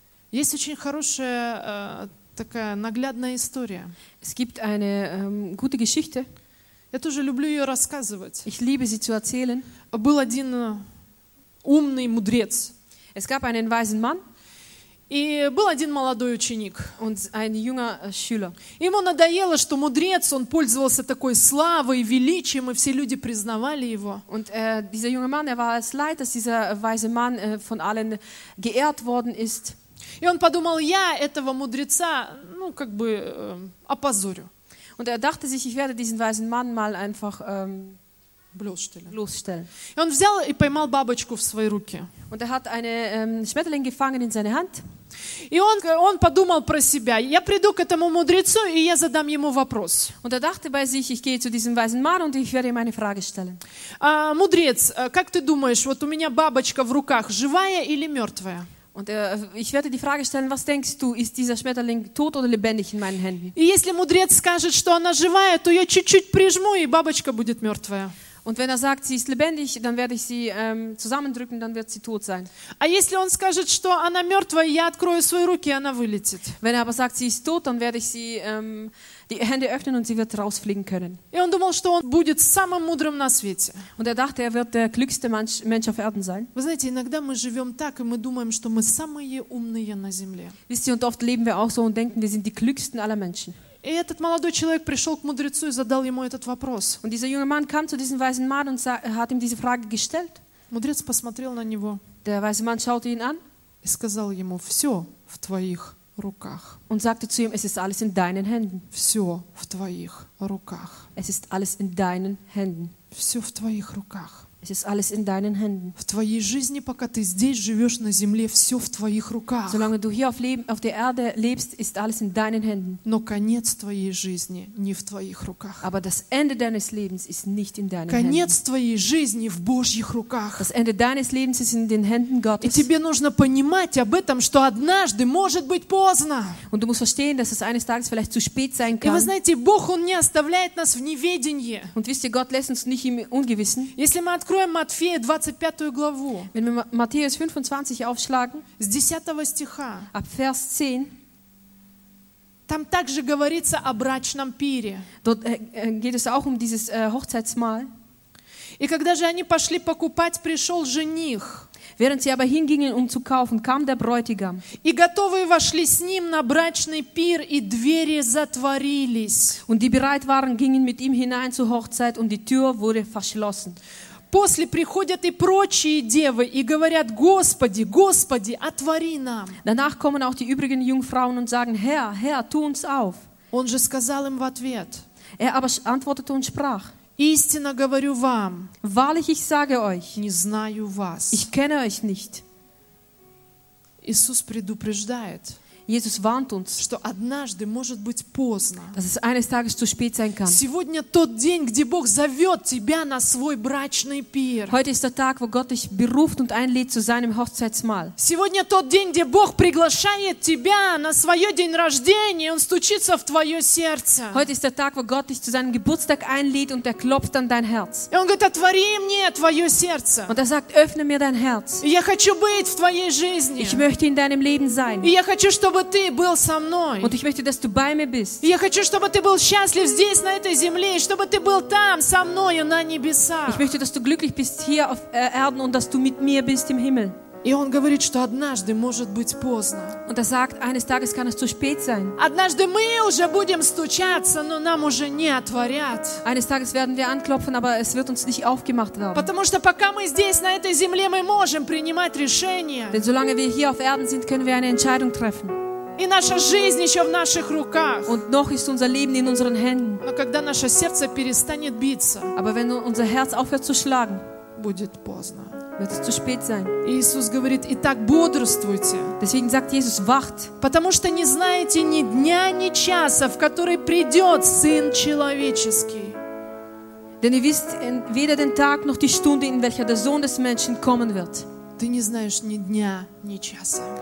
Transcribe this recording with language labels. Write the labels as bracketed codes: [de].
[ru] Есть очень хорошая такая наглядная история. [de] Es gibt eine gute Geschichte. [ru] Я тоже люблю ее рассказывать. [de] Ich liebe sie zu erzählen. [ru] Был один умный мудрец. [de] Es gab einen weisen Mann. [ru] И был один молодой ученик. [de] Und ein junger Schüler. [ru] Ему надоело, что мудрец, он пользовался такой славой, величием, и все люди признавали его. [de] Und dieser junge Mann, war es leid, dass dieser weise Mann von allen geehrt worden ist. [ru] И он подумал, я этого мудреца, ну, как бы, опозорю. [de] Und dachte sich, ich werde diesen weisen Mann mal einfach bloßstellen. [ru] И он взял и поймал бабочку в свои руки. [de] Und hat eine Schmetterling gefangen in seine Hand. [ru] И он подумал про себя, я приду к этому мудрецу, и я задам ему вопрос. [de] Und dachte bei sich, ich gehe zu diesem weisen Mann und ich werde ihm eine Frage stellen. [ru] Мудрец, как ты думаешь, вот у меня бабочка в руках, живая или мертвая? [de] Und ich werde die Frage stellen, was denkst du, ist dieser Schmetterling tot oder lebendig in meinen Händen? [ru] И если мудрец скажет, что она живая, то я чуть-чуть прижму, и бабочка будет мертвая. [de] Und wenn sagt, sie ist lebendig, dann werde ich sie zusammendrücken, dann wird sie tot sein. [ru] А если он скажет, что она мертвая, я открою свои руки, и она вылетит. [de] Wenn aber sagt, sie ist tot, dann werde ich sie die Hände öffnen und sie wird rausfliegen können. [ru] И он думал, что он будет самым мудрым на свете. [de] Und dachte, er wird der klügste Mensch auf Erden sein. [ru] Вы знаете, иногда мы живем так, и мы думаем, что мы самые умные на земле. [de] Wisst ihr, und oft leben wir auch so und denken, wir sind die klügsten aller Menschen. [ru] И этот молодой человек пришел к мудрецу и задал ему этот вопрос. [de] Und dieser junge Mann kam zu diesem weisen Mann und hat ihm diese Frage gestellt. [ru] Мудрец посмотрел на него. [de] Der weise Mann schaute ihn an. [ru] И сказал ему: «Все в твоих руках». [de] Und sagte zu ihm: «Es ist alles in deinen Händen». [ru] «Все в твоих руках». [de] Es ist alles in deinen Händen. [ru] «Все в твоих руках». [de] Es ist alles in deinen Händen. [ru] В твоей жизни, пока ты здесь живешь на земле, все в твоих руках. [de] Solange du hier auf der Erde lebst, ist alles in deinen Händen. [ru] Но конец твоей жизни не в твоих руках. [de] Aber das Ende deines Lebens ist nicht in deinen [ru] конец [de] Händen. [ru] Твоей жизни в Божьих руках. [de] Das Ende deines Lebens ist in den Händen Gottes. [ru] И тебе нужно понимать об этом, что однажды может быть поздно. [de] Und du musst verstehen, dass es eines Tages vielleicht zu spät sein kann. [ru] И вы знаете, Бог, он не оставляет нас в неведении. [de] Und wisst ihr, Gott lässt uns nicht im Ungewissen. [ru] Если мы откроем Матфея 25 главу. [de] Wenn wir Matthäus 25 aufschlagen, [ru] с 10 стиха, [de] ab Vers 10, [ru] там также говорится о брачном пире. [de] Dort geht es auch um dieses Hochzeitsmahl. [ru] И когда же они пошли покупать, пришел жених. [de] Während sie aber hingingen, um zu kaufen, kam der Bräutigam. [ru] И готовые вошли с ним на брачный пир, и двери затворились. [de] Und die bereit waren, gingen mit ihm hinein zur Hochzeit, und die Tür wurde verschlossen. [ru] После приходят и прочие девы и говорят: «Господи, Господи, отвори нам». [de] Danach kommen auch die übrigen Jungfrauen und sagen: «Herr, Herr, tu uns auf». [ru] Он же сказал им в ответ. [de] Er aber antwortete und sprach: [ru] «Истинно говорю вам, [de] wahrlich ich sage euch, [ru] не знаю вас». [de] Ich kenne euch nicht. [ru] Иисус предупреждает. [de] Jesus warnt uns, [ru] что однажды может быть поздно. [de] Dass es eines Tages zu spät sein kann. [ru] Сегодня тот день, где Бог зовет тебя на свой брачный пир. [de] Heute ist der Tag, wo Gott dich beruft und einlädt zu seinem Hochzeitsmahl. [ru] Сегодня тот день, где Бог приглашает тебя на свое день рождения, и он стучится в твое сердце. [de] Heute ist der Tag, wo Gott dich zu seinem Geburtstag einlädt und klopft an dein Herz. [ru] И он говорит: «Отвори мне твое сердце». [de] Und sagt: «Öffne mir dein Herz». [ru] Я хочу быть в твоей жизни. [de] Ich möchte in deinem Leben sein. [ru] И я хочу, чтобы ты был со мной. [de] Und ich möchte, dass du bei mir bist. [ru] Я хочу, чтобы ты был счастлив здесь, на этой земле, и чтобы ты был там со мною на небесах. [de] Ich möchte, dass du glücklich bist hier auf Erden und dass du mit mir bist im Himmel. [ru] И он говорит, что однажды может быть поздно. [de] Und sagt, eines Tages kann es zu spät sein. [ru] Однажды мы уже будем стучаться, но нам уже не отворят. [de] Eines Tages werden wir anklopfen, aber es wird uns nicht aufgemacht werden. [ru] Потому что пока мы здесь на этой земле, мы можем принимать решения. [de] Denn solange wir hier auf Erden sind, können wir eine Entscheidung treffen. [ru] И наша жизнь еще в наших руках. [de] Und noch ist unser Leben in unseren Händen. [ru] Но когда наше сердце перестанет биться, [de] aber wenn unser Herz aufhört zu schlagen, [ru] будет поздно. [de] wird es zu spät sein. [ru] Иисус говорит: "Итак, бодрствуйте." [de] Deswegen sagt Jesus: "Wacht." [ru] Потому что не знаете ни дня, ни часа, в который придёт Сын человеческий. [de] Denn ihr wisst weder den Tag noch die Stunde, in welcher der Sohn des Menschen kommen wird. [ru] Ты не знаешь ни дня, ни часа.